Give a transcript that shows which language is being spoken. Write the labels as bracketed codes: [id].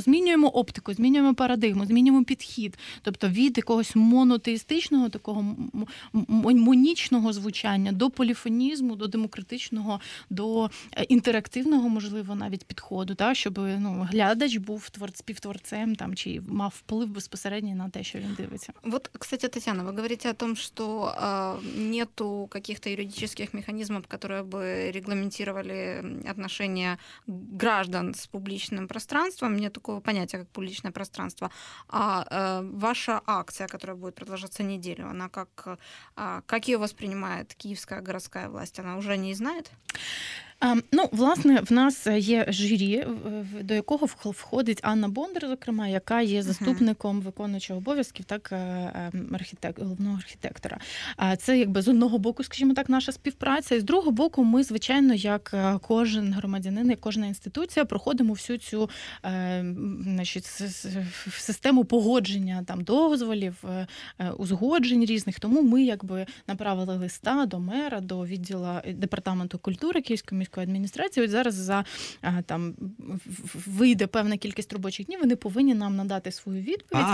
[uk] Змінюємо оптику, змінюємо парадигму, змінюємо підхід. Тобто від якогось монотеїстичного, такого монічного звучання до поліфонізму, до демократичного, до інтерактивного, можливо, навіть підходу, та, щоб ну, глядач був співтворцем там, чи мав вплив безпосередньо на те, що він дивиться. [ru] Вот, кстати, Тетяна, ви говорите о том, что нету каких-то юридических механизмов, которые бы регламентировали отношения граждан с публичным пространством. Нет такого понятия, как публичное пространство. А ваша акция, которая будет продолжаться неделю, она как ее воспринимает Киевская городская власть? Она уже не знает? [uk] Ну, власне, в нас є журі, до якого входить Анна Бондар, зокрема, яка є заступником виконуючого обов'язків, так, головного архітектора. Це, якби, з одного боку, скажімо так, наша співпраця, і з другого боку, ми, звичайно, як кожен громадянин, як кожна інституція, проходимо всю цю значить, систему погодження там, дозволів, узгоджень різних, тому ми, якби, направили листа до мера, до відділу департаменту культури Київської міської адміністрації, от зараз за там вийде певна кількість робочих днів, вони повинні нам надати свою відповідь.